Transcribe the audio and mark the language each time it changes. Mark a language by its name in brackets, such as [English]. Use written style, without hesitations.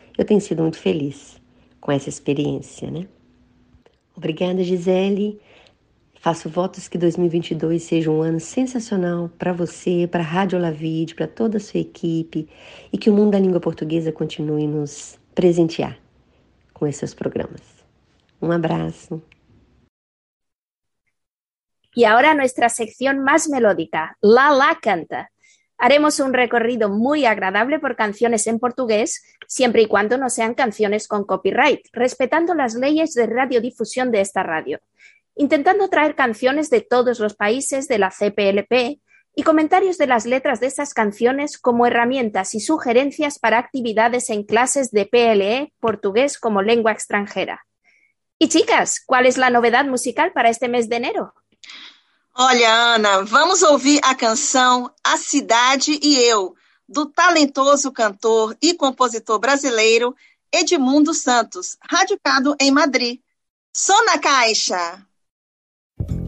[Portuguese] Eu tenho sido muito feliz com essa experiência, né? Obrigada, Gisele. Faço votos que 2022 seja um ano sensacional para você, para a Rádio Olavide, para toda a sua equipe, e que o mundo da língua portuguesa continue nos presentear com esses programas. Um abraço. [Spanish] Y ahora nuestra sección más melódica, La La Canta. Haremos un recorrido muy agradable por canciones en portugués, siempre y cuando no sean canciones con copyright, respetando las leyes de radiodifusión de esta radio, intentando traer canciones de todos los países de la CPLP y comentarios de las letras de esas canciones como herramientas y sugerencias para actividades en clases de PLE, portugués como lengua extranjera. Y chicas, ¿cuál es la novedad musical para este mes de enero? [Portuguese] Olha, Ana, vamos ouvir a canção A Cidade e Eu, do talentoso cantor e compositor brasileiro Edmundo Santos, radicado em Madrid. Som na caixa! A